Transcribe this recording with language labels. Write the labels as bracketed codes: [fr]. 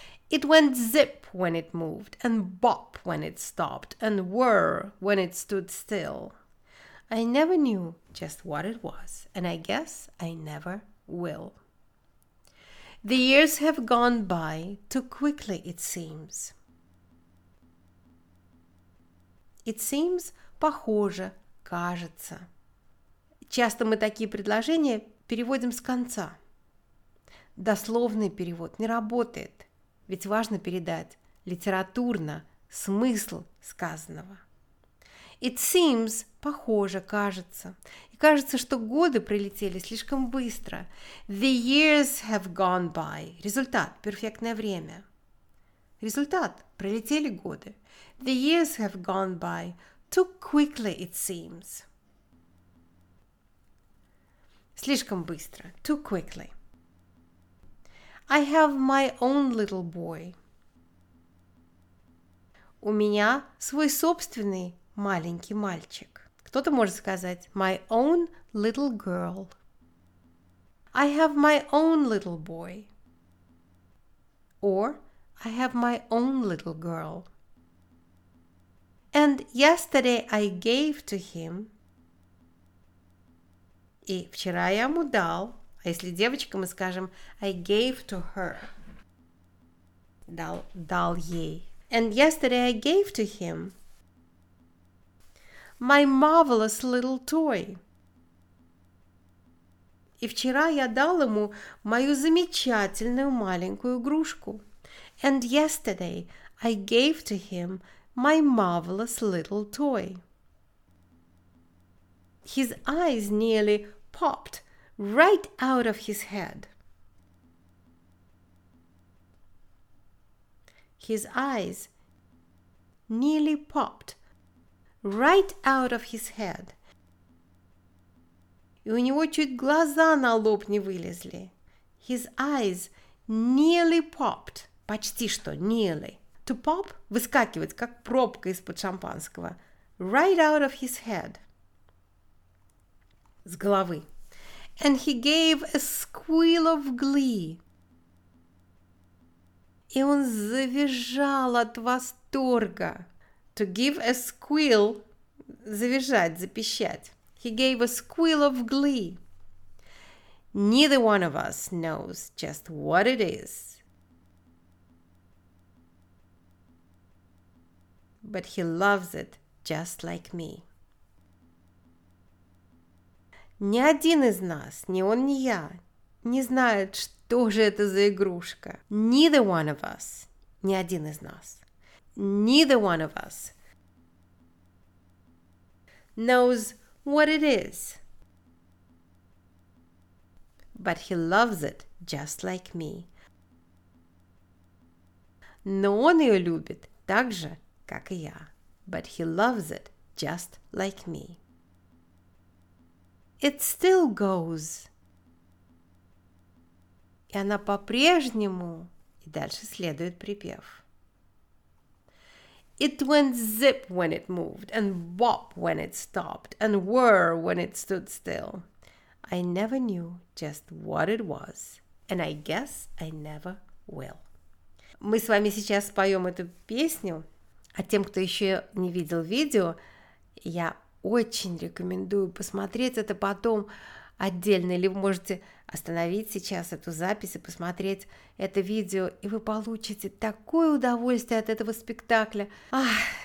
[en] It went zip when it moved, and bop when it stopped, and whirr when it stood still. I never knew just what it was, and I guess I never will. The years have gone by too quickly, it seems. It seems, [ru] похоже, кажется. Часто мы такие предложения переводим с конца. Дословный перевод не работает, ведь важно передать литературно смысл сказанного. [en] It seems, [ru] похоже, кажется. И кажется, что годы пролетели слишком быстро. [en] The years have gone by. [ru] Результат, перфектное время. Результат, пролетели годы. [en] The years have gone by. Too quickly, it seems. [ru] Слишком быстро. [en] Too quickly. I have my own little boy. [ru] У меня свой собственный маленький мальчик. Кто-то может сказать [en] my own little girl. I have my own little boy. Or I have my own little girl. And yesterday I gave to him. [ru] И вчера я ему дал. А если девочка, мы скажем [en] I gave to her. [ru] Дал ей. [en] And yesterday I gave to him my marvelous little toy. И вчера я дал ему мою замечательную маленькую игрушку. And yesterday I gave to him my marvelous little toy. His eyes nearly popped right out of his head. His eyes nearly popped right out of his head. [ru] И у него чуть глаза на лоб не вылезли. [en] His eyes nearly popped. [ru] Почти что, nearly. [en] To pop [ru] – выскакивать, как пробка из-под шампанского. [en] Right out of his head. [ru] С головы. [en] And he gave a squeal of glee. [ru] И он завизжал от восторга. [en] To give a squeal – [ru] завизжать, запищать. [en] He gave a squeal of glee. Neither one of us knows just what it is. But he loves it just like me. [ru] Ни один из нас, ни он, ни я, не знает, что же это за игрушка. [en] Neither one of us, [ru] ни один из нас, [en] neither one of us knows what it is. But he loves it just like me. [ru] Но он ее любит так же, как и я. [en] But he loves it just like me. It still goes. [ru] И она по-прежнему... И дальше следует припев. [en] It went zip when it moved, and bop when it stopped, and whirr when it stood still. I never knew just what it was, and I guess I never will. [ru] Мы с вами сейчас споем эту песню, а тем, кто еще не видел видео, я очень рекомендую посмотреть это потом отдельно, или вы можете остановить сейчас эту запись и посмотреть это видео, и вы получите такое удовольствие от этого спектакля. Ах.